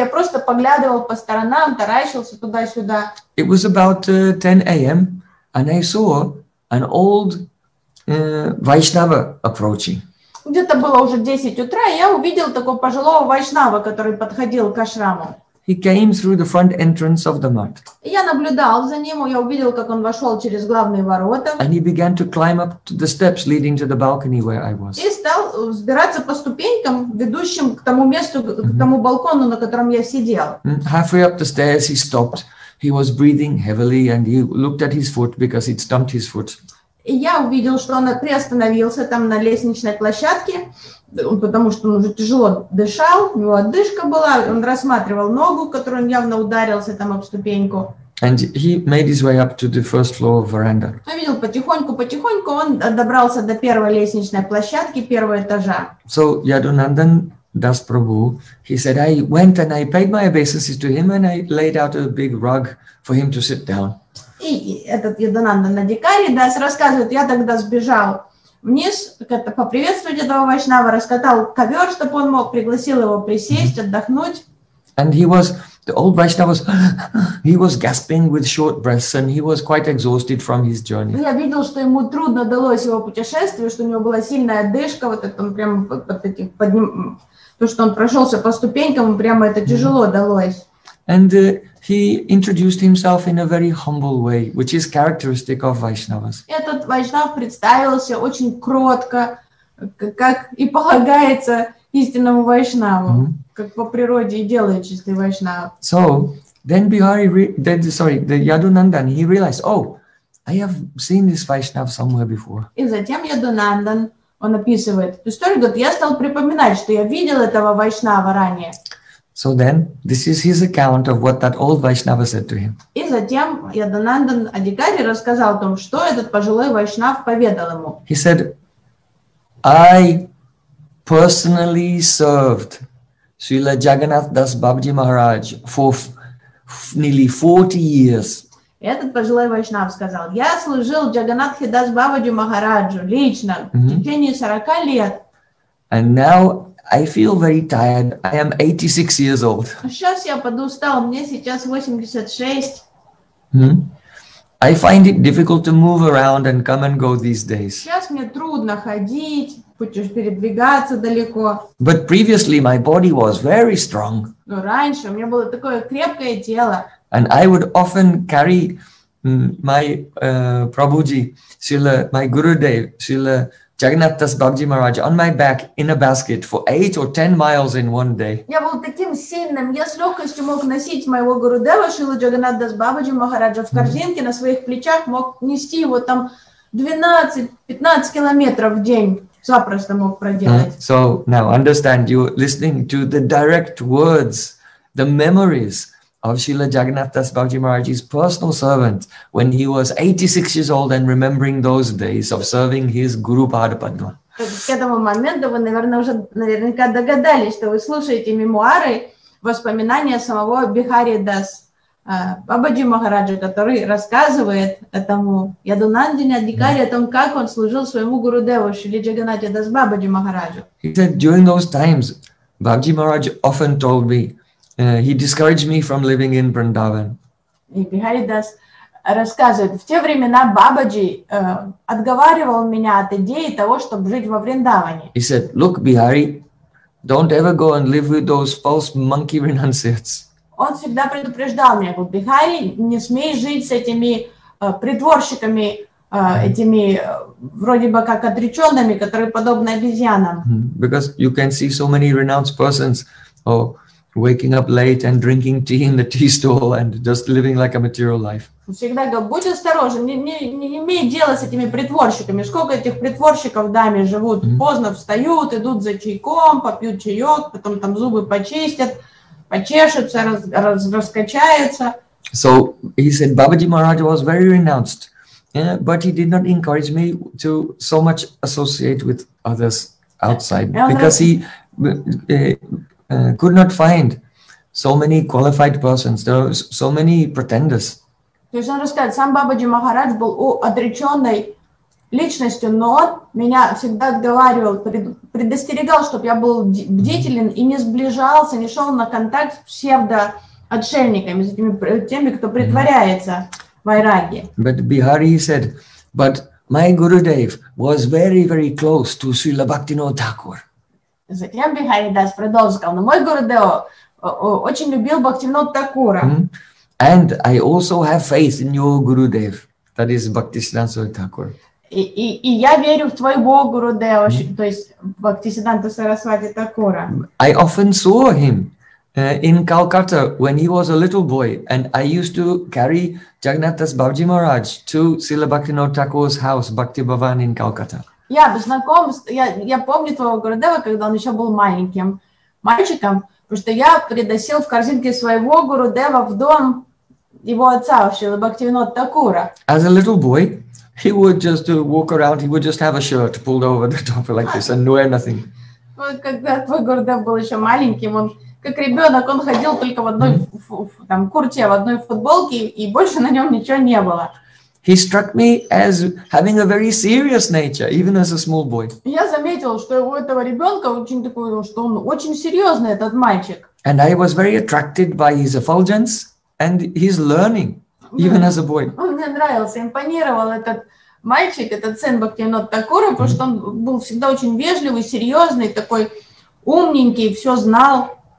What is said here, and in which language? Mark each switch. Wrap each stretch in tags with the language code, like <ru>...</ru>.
<ru>Я просто поглядывал по сторонам, таращился туда-сюда.</ru> <en>It was about 10 a.m. and I saw an old Vaishnava approaching.</en> <ru>Где-то было уже 10 утра, и я увидел такого пожилого вайшнава, который подходил к ашраму.</ru> <en>He came through the front entrance of the mat.</en> <ru>Я наблюдал за ним, я увидел, как он вошел через главные ворота.</ru> <en>And he began to climb up to the steps leading to the balcony where I was.</en> <ru>И стал взбираться по ступенькам, ведущим к тому месту, к тому балкону, на котором я сидел.</ru> <en>Halfway up the stairs, he stopped. He was breathing heavily, and he looked at his foot because he'd stumped his foot.</en> <ru>И я увидел, что он приостановился там на лестничной площадке, потому что он уже тяжело дышал, у него одышка была, он рассматривал ногу, которую он явно ударился там об ступеньку.</ru> <en>And he made his way up to the first floor of veranda.</en> <ru>Я видел, потихоньку он добрался до первой лестничной площадки, первого этажа.</ru> <en>So Jagannathan Das Prabhu, he said, I went and I paid my obeisances to him and I laid out a big rug for him to sit down.</en> <ru>И этот Йодананда Надикари Дас рассказывает, я тогда сбежал вниз, как-то поприветствовать этого вайшнава, раскатал ковер, чтобы он мог, пригласил его присесть, отдохнуть.</ru> <en>And he was, the old Vaishnava was, he was gasping with short breaths and he was quite exhausted from his journey.</en> <ru>Я видел, что ему трудно далось его путешествие, что у него была сильная одышка, вот это он прям под этим, под ним, то, что он прошелся по ступенькам, прямо это тяжело далось.</ru> <en>And he introduced himself in a very humble way, which is characteristic of Vaishnavas.</en> <ru>Этот вайшнав представился очень кротко, как и полагается истинному вайшнаву, как по природе и делает чистый вайшнав.</ru> <en>So then the Jagannathan, he realized, oh, I have seen this Vaishnav somewhere before.</en> <ru>И затем Jagannathan, он описывает эту историю, говорит, я стал припоминать, что я видел этого вайшнава ранее.</ru> <en>So then, this is his account of what that old Vaishnava said to him.</en> <ru>И затем Йодананда Адикари рассказал о том, что этот пожилой вайшнав поведал ему.</ru> <en>He said, I personally served Srila Jagannath Das Babaji Maharaj for nearly 40 years.</en> <ru>И этот пожилой вайшнав сказал, я служил Джаганнатхе Дас Бабаджи Махараджу лично в течение 40 лет.</ru> <en>And now I feel very tired. I am 86 years old.</en> <ru>Сейчас я подустал. Мне сейчас 86.</ru> <en>I find it difficult to move around and come and go these days.</en> <ru>Сейчас мне трудно ходить, передвигаться далеко.</ru> <en>But previously my body was very strong.</en> <ru>Но раньше у меня было такое крепкое тело.</ru> <en>And I would often carry my Prabhuji, Srila, my Gurudev, Srila Jagannath Das Babaji Maharaj on my back in a basket for 8 or 10 miles in one day.</en> <ru>Я был таким сильным, я с легкостью мог носить моего Гурудева Шрилу Джагнатха Дас Бабаджи Махараджа в корзинке на своих плечах, мог нести его там 12-15 километров в день, запросто мог проделать.</ru> <en>So now understand, you're listening to the direct words, the memories of Srila Jagannath Das Babaji Maharaj's personal servant when he was 86 years old and remembering those days of serving his Guru Pada Padma.</en> <ru>К этому моменту вы, наверное, уже наверняка догадались, что вы слушаете мемуары, воспоминания самого Бихари Дас Бабаджи Махараджа, который рассказывает этому Йодананде Адикари о том, как он служил своему Гуру Деву Шри Джаганнатхе Дас Бабаджи Махараджу.</ru> <en>He said, during those times, Бабаджи Махарадж often told me, he discouraged me from living in Vrindavan.</en> <ru>И Бихари Дас рассказывает, в те времена Бабаджи отговаривал меня от идеи того, чтобы жить во Вриндаване.</ru> <en>He said, look, Bihari, don't ever go and live with those false monkey renunciates.</en> <ru>Он всегда предупреждал меня, говорит, Бихари, не смей жить с этими притворщиками, этими вроде бы как отреченными, которые подобны обезьянам.</ru> <en>Because you can see so many renounced persons, waking up late and drinking tea in the tea stall and just living like a material life.</en> <ru>Всегда говорю, будь осторожен, не имей дело с этими притворщиками. Сколько этих притворщиков в даме живут? Поздно встают, идут за чайком, попьют чаек, потом там зубы почистят, почешутся, раскачаются.</ru> <en>So he said, Babaji Maharaj was very renounced, but he did not encourage me to so much associate with others. outside because he could not find so many qualified persons. There were so many pretenders.</en> <ru>То есть, надо сказать, сам Бабаджи Махарадж был отреченной личностью, но меня всегда отговаривал, предостерегал, чтобы я был бдителен и не сближался, не шел на контакт с псевдоотшельниками, с этими, теми, кто притворяется вайраги.</ru> <en>But Bihari said, but my Gurudev was very, very close to Srila Bhaktivinoda Thakur.</en> <ru>Затем Бихари Дас продолжил, но мой Гурудев очень любил Бхактивинода Такура.</ru> <en>And I also have faith in your Gurudev, that is Bhaktisiddhanta Saraswati Thakur.</en> <ru>И я верю в твоего Гурудева, то есть Бхактисиддханта Сарасвати Такура.</ru> <en>I often saw him in Calcutta when he was a little boy, and I used to carry Jagannatha's Babaji Maharaj to Srila Bhaktivinoda Thakur's house, Bhakti Bhavan in Calcutta.</en> <ru>Я помню твоего Гурудева, когда он еще был маленьким мальчиком. Потому что я приносил в корзинке своего Гурудева в дом его отца, Шрилы Бхактивинода Такура.</ru> <en>As a little boy, he would just walk around, he would just have a shirt pulled over the top like this and wear nothing.</en> <ru>Когда твой Гурудев был еще маленьким, он как ребенок, он ходил только в одной там куртке, в одной футболке, и больше на нем ничего не было.</ru> <en>He struck me as having a very serious nature, even as a small boy.</en> <ru>Я заметил, что у этого ребенка очень такой, что он очень серьезный этот мальчик.</ru> <en>And I was very attracted by his effulgence and his learning, even as a boy.</en> <ru>Мне нравился, импонировал этот мальчик, этот сын Бхактивинода Такура, потому что он был всегда очень вежливый, серьезный, такой умненький, все знал.</ru>